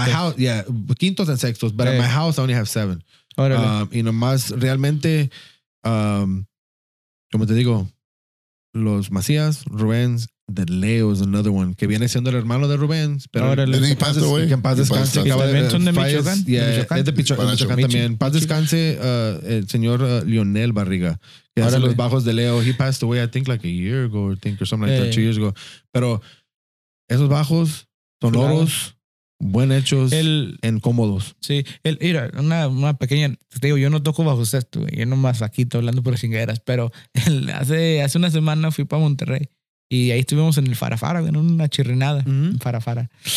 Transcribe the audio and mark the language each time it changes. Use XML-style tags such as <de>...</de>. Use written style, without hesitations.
<en>In my house, yeah, quintos and sextos, but in my house I only have 7.</en> <es>Y nomás realmente, como te digo, los Macías, Rubens, de Leo es</es> <en>another one</en> <es>que viene siendo el hermano de Rubens, pero ahora que en paz descanse. Que en paz descanse. Y también son de Michoacán. Es de Michoacán también. Paz descanse el señor Lionel Barriga, que ahora hace los bajos de Leo.</es> <en>He passed away, I think, like a year ago, or think, or something like that, 2 years ago.</en> <es>Pero esos bajos sonoros, buen hechos, en cómodos. Sí, mira, una pequeña, te digo, yo no toco bajo sexto, yo nomás aquí estoy hablando por chingaderas, pero hace una semana fui para Monterrey. Y ahí estuvimos en el Farafara, en una chirrinada, en Farafara.</es>